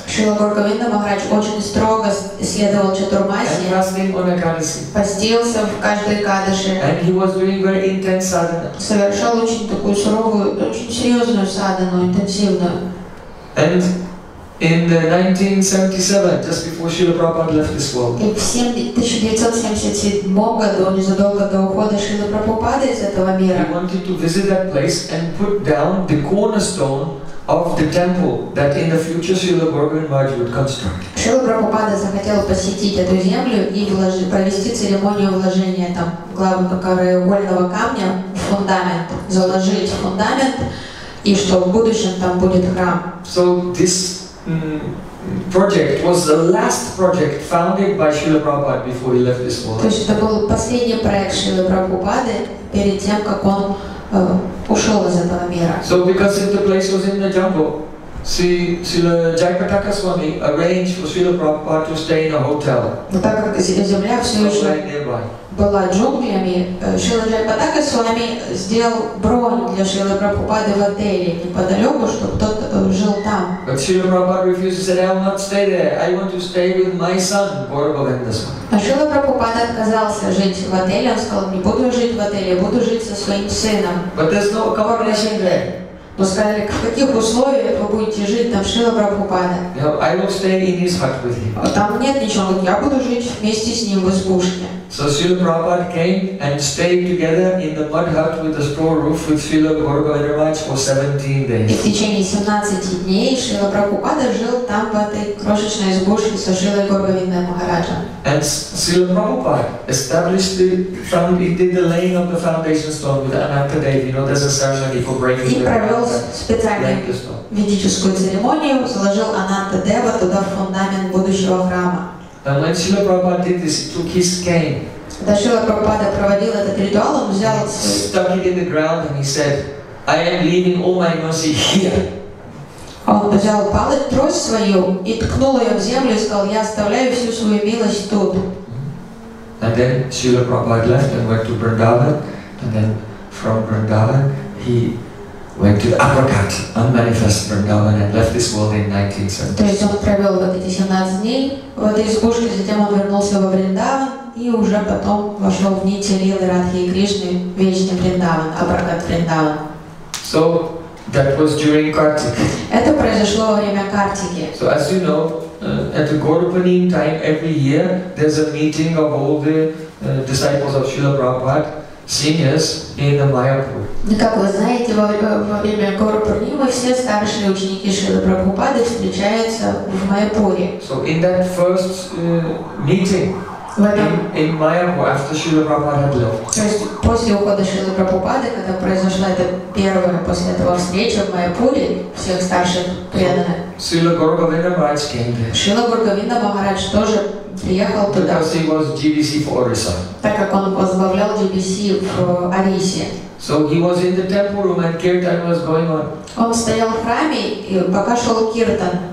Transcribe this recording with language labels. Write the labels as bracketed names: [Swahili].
[Russian] Шрила Гаура-Говинда Махарадж очень строго следовал Чатурмасе. [English] And fasting on Экадаси. [Russian] Постился в каждой Экадаши. [English] And he was doing very intense sadhana. [Russian] Совершал очень такую суровую, очень серьезную садхану, интенсивную. [English] And in the 1977, just before Srila Prabhupada left this world. [Russian] In 1977 году, незадолго до ухода Шрилы Прабхупады из этого мира. [English] He wanted to visit that place and put down the cornerstone of the temple that in the future Srila Prabhupada would construct. [Russian] Шрила Прабхупада захотел посетить эту землю и провести церемонию вложения там главного краеугольного камня в фундамент, заложить фундамент и что в будущем там будет храм. [English] So this project was the last project founded by Srila Prabhupada before he left this world. [Russian] То есть это был последний проект Шрилы Прабхупады перед тем, как он ушел из этого мира. [English] So because the place was in the jungle, Srila Jayapataka Swami arranged for Srila Prabhupada to stay in a hotel. [Russian] Но так как земля все еще была джунглями, Шрила Джайпатака Свами сделал бронь для Шрилы Прабхупады в отеле неподалеку, чтобы тот жил там. [English] But Srila Prabhupada refused to say, I'll not stay there. I want to stay with my son, Gaura Govinda Swami. [Russian] Шрила Прабхупада отказался жить в отеле, он сказал, не буду жить в отеле, буду жить со своим сыном. [English] But there's no accommodation there. [Russian] Мы сказали, в каких условиях вы будете жить там Шрила Прабхупада? [English] I will stay in his hut with him. [Russian] Там нет ничего, он говорит, я буду жить вместе с ним в избушке. [English] So Srila Prabhupada came and stayed together in the mud hut with the straw roof with Srila Gaura Govinda Maharaj for 17 days. [Russian] И в течение 17 дней Шрила Прабхупада жил там в этой крошечной избушке со Шрилой Гаура Говинда Махараджа. [English] And Srila Prabhupada established the foundation, did the laying of the foundation stone with Ananta Devi. There's a ceremony for breaking the [Russian] stone. И провел специальную ведическую церемонию, заложил Ананта Дева туда в фундамент будущего храма. [English] And when Srila Prabhupada did this, he took his cane. [Russian] Когда Шрила Прабхупада проводил этот ритуал, он взял свой. [English] Stuck it in the ground and he said, I am leaving all my mercy here. [Russian] Он взял палец, трость свою и ткнул ее в землю и сказал, я оставляю всю свою милость тут. [English] And then Srila Prabhupada left and went to Vrindavan. And then from Vrindavan, he went to Apricot, unmanifested Vrindavan, and left this world in 1970. So that was during Kartik. [Russian] Это произошло во время Картики. [English] So as you know, at the Gaurapanim time every year, there's a meeting of all the disciples of Srila Prabhupada, seniors, in the Mayapur. [Russian] Как вы знаете, во время Гаурапанима все старшие ученики Шрилы Прабхупады встречаются в Майяпуре. [English] So in that first meeting. In Mayapur, after Srila Prabhupada had left. [Russian] То есть после ухода Шрилы Прабхупады, когда произошла эта первая после этого встреча в Майяпуре всех старших преданных. Шрила Гургавинда Махарадж тоже приехал туда. [English] Because he was GBC for Orissa. [Russian] Так как он возглавлял GBC в Орисе. [English] So he was in the temple room and kirtan was going on. [Russian] Он стоял в храме и пока шел киртан.